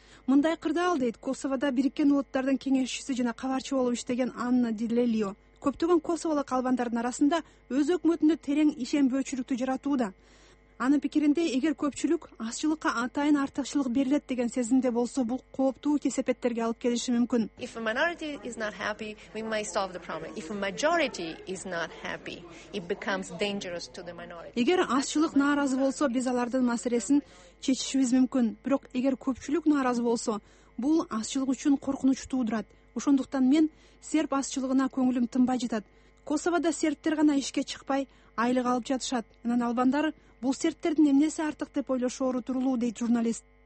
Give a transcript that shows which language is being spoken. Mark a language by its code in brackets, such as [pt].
[ky] Мындай кырдаал дейт Косовода Бириккен Улуттардын кеңешчиси жана кабарчы болуп иштеген Анна Дилелио. Көптөгөн косоволук албандардын арасында өз өкмөтүндө терең ишенбөөчүлүктү жаратууда. Анын пикиринде, эгер көпчүлүк азчылыкка атайын артыкчылык берилет деген сезимде болсо, бул кооптуу кесепеттерге алып келиши мүмкүн. [en] If a minority is not happy, we may solve the problem. If a majority is not happy, it becomes dangerous to the minority. [ky] Эгер азчылык нааразы болсо, биз алардын маселесин чечишибиз мүмкүн. Бирок эгер көпчүлүк нааразы болсо, бул азчылык үчүн коркунуч туудурат. Ошондуктан мен серб азчылыгына көңүлүм тынбай жатат. Косовода сербтер гана ишке чыкпай, айлык алып жатышат. Анан албандар бул сербтердин эмнеси артык деп ойлошу оору турулуу, дейт журналист.